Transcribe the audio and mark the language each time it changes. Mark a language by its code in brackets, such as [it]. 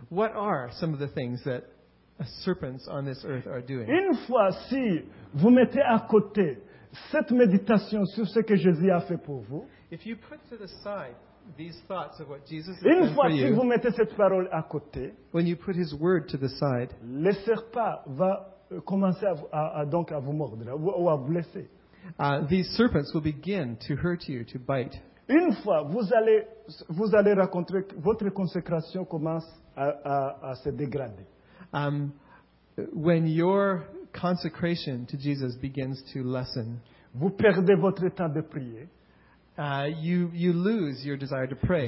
[en] What are some of the things that serpents on this earth are doing? [fr] Une fois, si vous mettez à côté cette méditation sur ce que Jésus a fait pour vous, [en] if you put to the side these thoughts of what Jesus has done for you, [fr] si vous mettez cette parole à côté, [en] when you put his word to the side, [fr] le serpent va commencer à vous mordre ou à vous blesser. [en] These serpents will begin to hurt you, to bite. [fr] Une fois, vous allez rencontrer votre consécration commence à se dégrader. [en] When your consecration to Jesus begins to lessen, [fr] vous perdez votre temps de prier. [en] You lose your desire to pray.